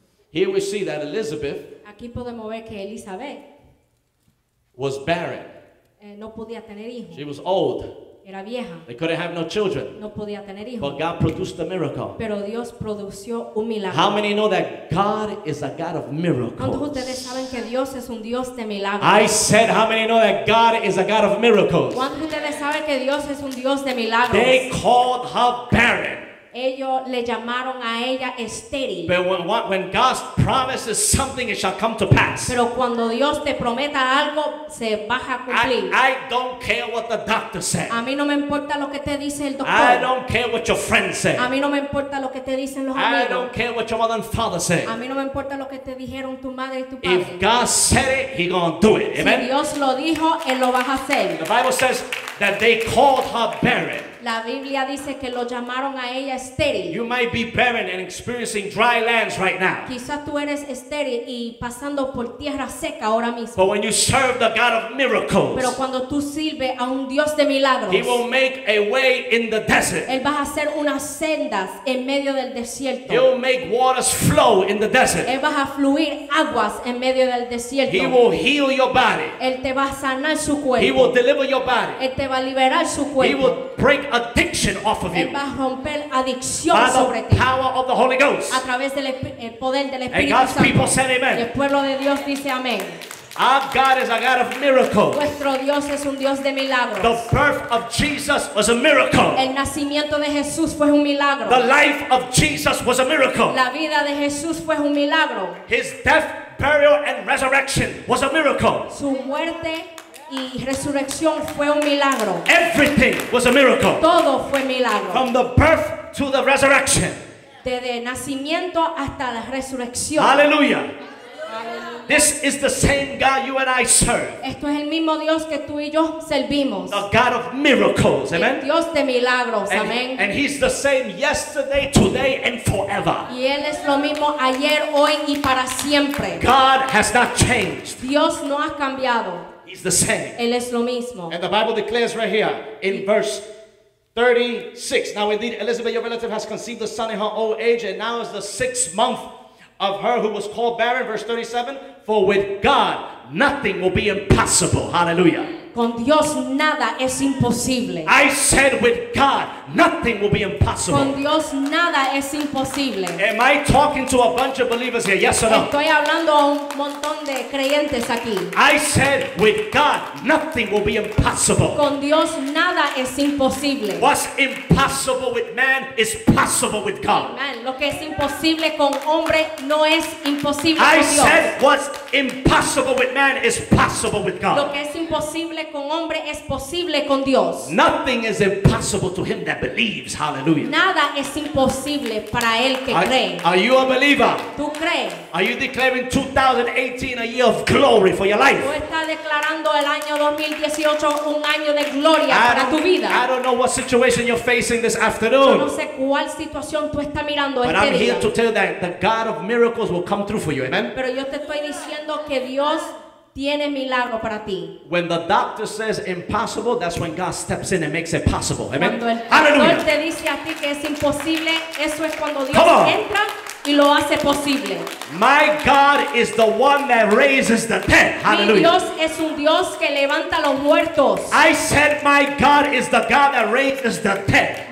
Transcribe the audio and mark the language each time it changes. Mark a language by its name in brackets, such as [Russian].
[English] Here we see that Elizabeth, [Spanish] aquí podemos ver que Elizabeth [English] was barren. [Spanish] No podía tener hijos. [English] She was old. [Spanish] Era vieja. [English] They couldn't have no children. [Spanish] No podía tener hijos. [English] But God produced a miracle. [Spanish] Pero Dios produció un milagro. [English] How many know that God is a God of miracles? [Spanish] ¿Cuántos ustedes saben que Dios es un Dios de milagros? [English] I said, how many know that God is a God of miracles? [Spanish] ¿Cuántos ustedes saben que Dios es un Dios de milagros? [English] They called her barren. [Spanish] Ellos le llamaron a ella estéril. [English] But when God promises something, it shall come to pass. [Spanish] Pero cuando Dios te prometa algo, se va a cumplir. [English] I don't care what the doctor said. [Spanish] A mí no me importa lo que te dice el doctor. [English] I don't care what your friends say. [Spanish] A mí no me importa lo que te dicen los amigos. [English] I don't care what your mother and father say. [Spanish] A mí no me importa lo que te dijeron tu madre y tu padre. [English] If God said it, he gonna do it. Amen. [Spanish] Si Dios lo dijo, él lo va a hacer. [English] The Bible says that they called her barren. [Spanish] La Biblia dice que lo llamaron a ella estéril. [English] You might be barren and experiencing dry lands right now. [Spanish] Quizás tú eres estéril y pasando por tierra seca ahora mismo. [English] But when you serve the God of miracles, [Spanish] pero cuando tú sirves a un Dios de milagros, [English] he will make a way in the desert. [Spanish] Él va a hacer unas sendas en medio del desierto. [English] He will make waters flow in the desert. [Spanish] Él va a fluir aguas en medio del desierto. [English] He will heal your body. [Spanish] Él te va a sanar su cuerpo. [English] He will deliver your body. [Spanish] Él te va a liberar su cuerpo. [English] He will break addiction off of you. [Spanish] Va a romper adicción [English] by the [Spanish] sobre ti. [English] Power of the Holy Ghost. [Spanish] A través del el poder del Espíritu [English] and God's People said amen. [Spanish] Y el pueblo de Dios dice amén. [English] Our God is a God of miracles. [Spanish] Nuestro Dios es un Dios de milagros. [English] The birth of Jesus was a miracle. [Spanish] El nacimiento de Jesús fue un milagro. [English] The life of Jesus was a miracle. [Spanish] La vida de Jesús fue un milagro. [English] His death, burial, and resurrection was a miracle. [Spanish] Su muerte y resurrección fue un milagro. [English] Everything was a miracle. [Spanish] Todo fue milagro. [English] From the birth to the resurrection. [Spanish] Desde nacimiento hasta la resurrección. [English] Hallelujah. This is the same God you and I serve. [Spanish] Esto es el mismo Dios que tú y yo servimos. [English] The God of miracles, amen. [Spanish] Dios de milagros, amen. [English] And he's the same yesterday, today, and forever. [Spanish] Y él es lo mismo ayer, hoy y para siempre. [English] God has not changed. [Spanish] Dios no ha cambiado. [English] He's the same. [Spanish] Él es lo mismo. [English] And the Bible declares right here in verse 36. Now indeed, Elizabeth, your relative, has conceived a son in her old age, and now is the sixth month of her who was called barren. Verse 37. For with God, nothing will be impossible. Hallelujah. [Spanish] Con Dios nada es imposible. [English] I said with God, nothing will be impossible. [Spanish] Con Dios nada es imposible. [English] Am I talking to a bunch of believers here? Yes or no? [Spanish] Estoy hablando a un montón de creyentes aquí. [English] I said with God, nothing will be impossible. [Spanish] Con Dios nada es imposible. [English] What's impossible with man is possible with God. Amen. [Spanish] Lo que es imposible con hombre no es imposible [English] I [Spanish] con Dios. [English] I said what's impossible with man is possible with God. [Spanish] Lo que es imposible con hombre es posible con Dios. [English] Nothing is impossible to him that believes. Hallelujah. [Spanish] Nada es imposible para el que cree. [English] Are you a believer? [Spanish] ¿Tú crees? [English] Are you declaring 2018 a year of glory for your life? [Spanish] ¿Tú estás declarando el año 2018 un año de gloria para tu vida? [English] I don't know what situation you're facing this afternoon. [Spanish] Yo no sé cuál situación tú estás mirando este día. [English] But I'm here to tell that the God of miracles will come through for you. Amen. [Spanish] Pero yo te estoy diciendo que Dios tiene milagro para ti. [English] When the doctor says impossible, that's when God steps in and makes it possible. Amen. [Spanish] Cuando el doctor te dice a ti que es imposible, eso es cuando Dios entra y lo hace posible. [English] My God is the one that raises the dead. Hallelujah. [Spanish] Mi Dios es un Dios que levanta los muertos. [English] I said my God is the God that raises the dead.